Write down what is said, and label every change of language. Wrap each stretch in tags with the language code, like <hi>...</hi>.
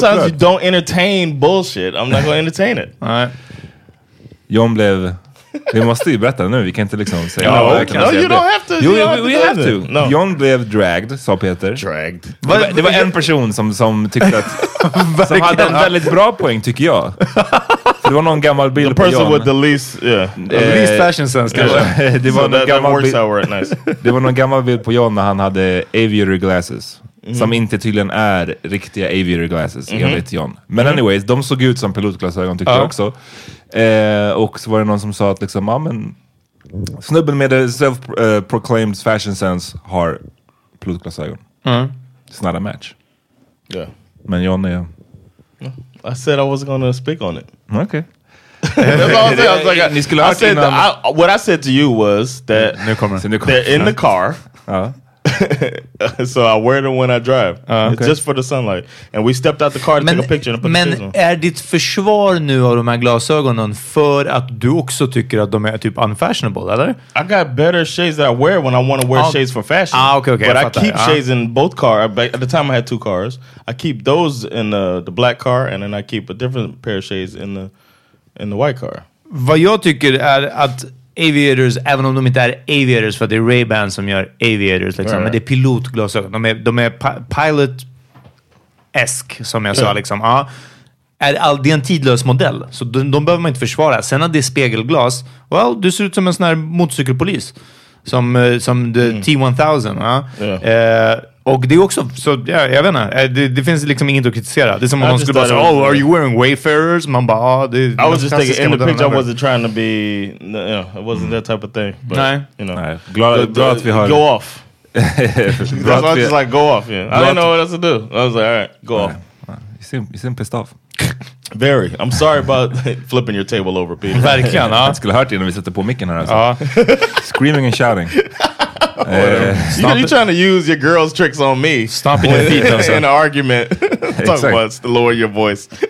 <en>Sometimes you don't entertain bullshit. I'm not going to entertain it.</en> <sv>John blev... Vi måste ju berätta nu, vi kan inte liksom säga...</sv> <en>No, you don't have to.</en> <sv>Jo,</sv> <en>we have to.</en> <sv>John blev</sv> <en>dragged,</en> <sv>sa Peter.</sv> <en>Dragged.</en> <sv>Det var en person som tyckte att... Som hade en väldigt bra poäng, tycker jag. För det var någon gammal bild på John.</sv> <en>The person with the least... Yeah. The least fashion sense,</en> <sv>kanske. Det var någon gammal bild.</sv> <en>That works out nice.</en> <sv>Det var någon gammal bild på John när han hade aviary glasses. Mm. Som inte tydligen är riktiga aviary glasses, enligt John. Men anyways, de såg ut som pilotglasögon, tyckte jag också. Och så var det någon som sa att liksom, men snubben med</sv> <en>self-proclaimed fashion sense</en> <sv>har pilotglasögon.</sv> <en>It's not a match. Yeah. Men John är... I said I wasn't gonna speak on it. Okay. That's all I was saying. What I said to you was that they're in the car. So I wear it when I drive. Okay. Just for the sunlight. And we stepped out the car to take a picture. And put</en> <sv>men the är ditt försvar nu av de här glasögonen för att du också tycker att de är typ unfashionable, eller?</sv> <en>I got better shades that I wear when I want to wear shades for fashion. Okay. But I keep shades in both cars. At the time I had two cars. I keep those in the black car and then I keep a different pair of shades in the white car.</en> <sv>Vad jag tycker är att... aviators, även om de inte är aviators, för det är Ray-Ban som gör aviators liksom. Men det är pilotglasögon. De är pilot-esk, som jag sa liksom. Det är en tidlös modell, så de behöver man inte försvara. Sen att det är spegelglas, well, du ser ut som en sån här motorcykelpolis som T-1000. Och det är också, så jag vet inte, det finns liksom inget att kritisera. Det är som om man skulle bara säga,</sv> <en>are you wearing Wayfarers?</en> <sv>Man bara,</sv> <en>I was just thinking, in the picture I wasn't trying to be, it wasn't that type of thing. But,</en> <sv>nej. Glad att vi har...</sv> <en>Go off. That's why I just like, go off, yeah. I didn't know what else to do. I was like, all right, go off. You seem pissed off. Very. I'm sorry about flipping your table over, Peter.</en> <sv>Verkligen, Jag skulle hört det när vi sätter på micken här.</sv> <en>Screaming and shouting. You're trying to use your girl's tricks on me. Stomping your feet in an argument. Talk about to lower your voice.</en>